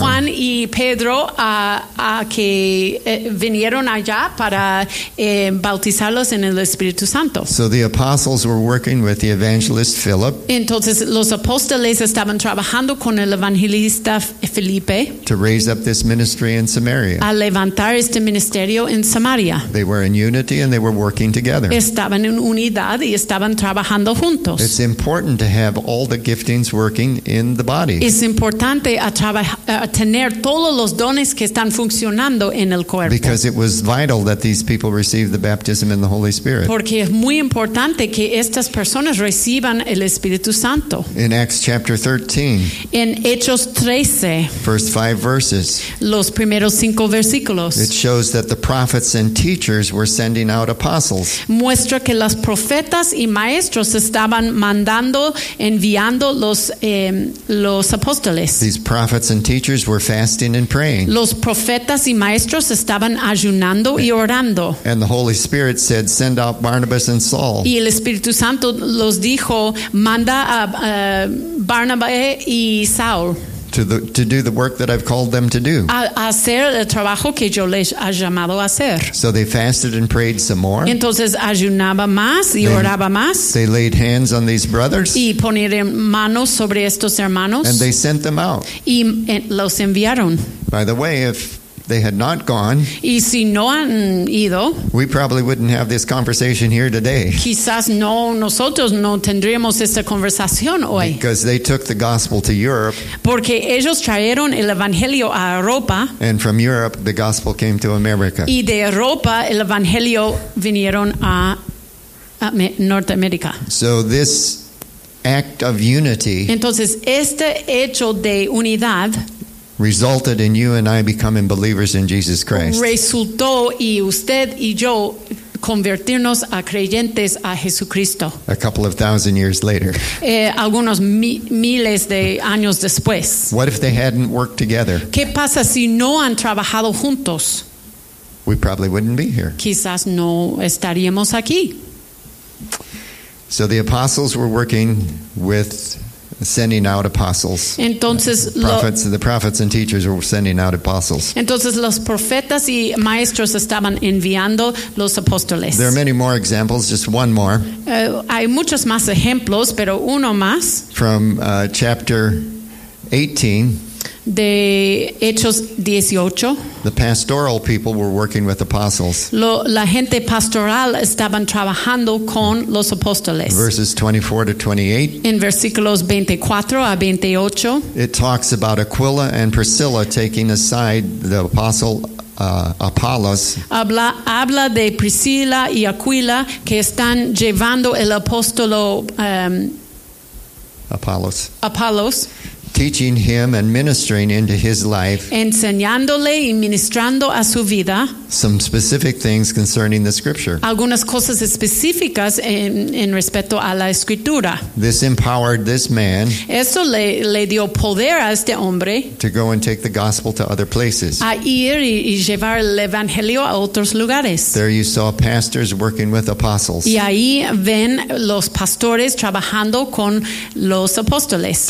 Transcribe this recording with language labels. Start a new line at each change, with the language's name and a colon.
Spanish: Juan y Pedro a que vinieron allá para bautizarlos en el Espíritu Santo.
English: So the apostles were working with the evangelist Philip.
Spanish: Entonces los apóstoles estaban trabajando con el evangelista Felipe
English: to raise up this ministry in Samaria.
Spanish: A levantar este ministerio en Samaria.
English: They were in unity and they were working together. together.
Spanish: Estaban en unidad y estaban trabajando juntos.
English: It's important to have all the giftings working in the body.
Spanish: Es importante tener todos los dones que están funcionando en el cuerpo.
English: Because it was vital that these people receive the baptism in the Holy Spirit.
Spanish: Porque es muy importante que estas personas reciban el Espíritu Santo.
English: In Acts chapter 13.
Spanish: En Hechos 13.
English: First five verses.
Spanish: Los primeros cinco versículos.
English: It shows that the prophets and teachers were sending out apostles.
Spanish: Muestra que los profetas y maestros estaban mandando, enviando los apóstoles.
English: These prophets and teachers were fasting and praying.
Spanish: Los profetas y maestros estaban ayunando y orando.
English: And the Holy Spirit said, "Send out Barnabas and Saul."
Spanish: Y el Espíritu Santo los dijo, manda a Barnabé y Saul.
English: To do the work that I've called them to do.
Spanish: A hacer el trabajo que yo les ha llamado a hacer.
English: So they fasted and prayed some more.
Spanish: Entonces ayunaba más y oraba más.
English: They laid hands on these brothers.
Spanish: Y ponían manos sobre estos hermanos.
English: And they sent them out.
Spanish: Y los enviaron.
English: By the way, if they had not gone,
Spanish: y si no han ido,
English: we probably wouldn't have this conversation here today.
Spanish: Quizás no, nosotros no tendríamos esta conversación hoy.
English: Because they took the gospel to Europe.
Spanish: Porque ellos trajeron el evangelio a Europa.
English: And from Europe, the gospel came to America.
Spanish: Y de Europa, el evangelio vinieron a Norteamérica.
English: So this act of unity.
Spanish: Entonces, este hecho de unidad
English: resulted in you and I becoming believers in Jesus Christ.
Spanish: Resultó y usted y yo convertirnos a creyentes a Jesucristo.
English: A couple of thousand years later.
Spanish: Algunos miles de años después.
English: What if they hadn't worked together?
Spanish: ¿Qué pasa si no han trabajado juntos?
English: We probably wouldn't be here.
Spanish: Quizás no estaríamos aquí.
English: So the apostles were working with sending out apostles.
Spanish: Entonces,
English: the prophets and teachers were sending out apostles.
Spanish: Entonces, los profetas y maestros estaban enviando los apóstoles.
English: There are many more examples, just one more.
Spanish: Hay muchos más ejemplos, pero uno más.
English: From chapter 18.
Spanish: De Hechos 18.
English: The pastoral people were working with apostles.
Spanish: La gente pastoral estaban trabajando con los apóstoles.
English: Verses 24 to 28.
Spanish: En versículos 24 a 28.
English: It talks about Aquila and Priscilla taking aside the apostle Apollos.
Spanish: Habla de Priscila y Aquila que están llevando el apóstol
English: Apollos.
Spanish: Apollos.
English: Teaching him and ministering into his life.
Spanish: Enseñándole y ministrando a su vida.
English: Some specific things concerning the scripture.
Spanish: Algunas cosas específicas en respecto a la escritura.
English: This empowered this man.
Spanish: Eso le dio poder a este hombre.
English: To go and take the gospel to other places.
Spanish: A ir y llevar el evangelio a otros lugares.
English: There you saw pastors working with apostles.
Spanish: Y ahí ven los pastores trabajando con los apóstoles.